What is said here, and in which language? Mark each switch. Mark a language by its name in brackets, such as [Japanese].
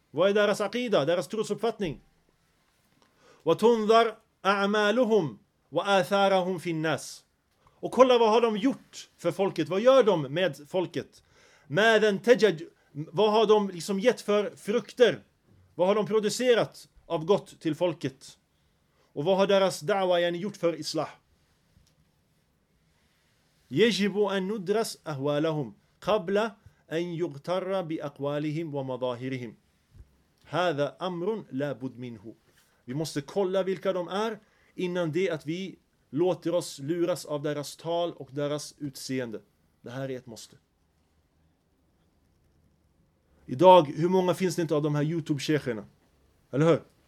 [Swedish] Vad är deras aqida, deras trosuppfattning? [Arabic] Wa tunzar a'maluhum wa atharuhum fi an-nas. [Swedish] Och kolla, vad har de gjort för folket? Vad gör de med folket? [Arabic] Madan tajad, [Swedish] vad har de liksom gett för frukter? Vad har de producerat av gott till folket? Och vad har deras da'wa yani gjort för islah? [Arabic] يجب أن ندرس أهوالهم قبل أن يغتر بأقوالهم ومظاهرهم. هذا أمر لا بد منه. [Swedish] Vi måste kolla vilka de är innan det att vi låter oss luras av deras tal och deras utseende. Det här är ett måste. Idag, hur många finns det inte av de här YouTube-sheikherna? Eller hur?